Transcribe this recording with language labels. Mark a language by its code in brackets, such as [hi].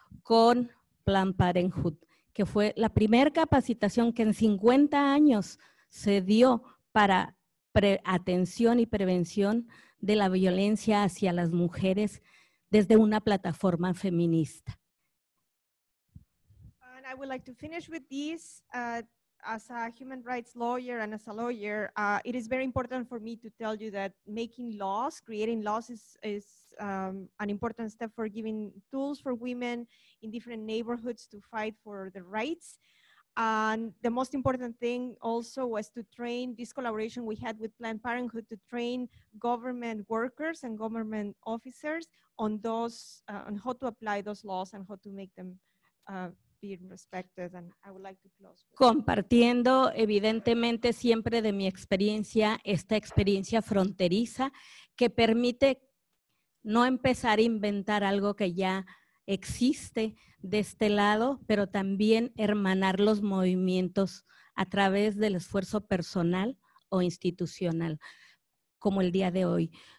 [es] con Planned Parenthood, que fue la primera capacitación que en 50 años se dio para atención y prevención de la violencia hacia las mujeres desde una plataforma feminista. [en] And I would like to finish with this. As a human rights lawyer and as a lawyer, it is very important for me to tell you that making laws, creating laws is an important step for giving tools for women in different neighborhoods to fight for their rights. And the most important thing also was to train this collaboration we had with Planned Parenthood to train government workers and government officers on those, on how to apply those laws and how to make them being respected, and I would like to close with [es] compartiendo evidentemente siempre de mi experiencia esta experiencia fronteriza que permite no empezar a inventar algo que ya existe de este lado, pero también hermanar los movimientos a través del esfuerzo personal o institucional como el día de hoy.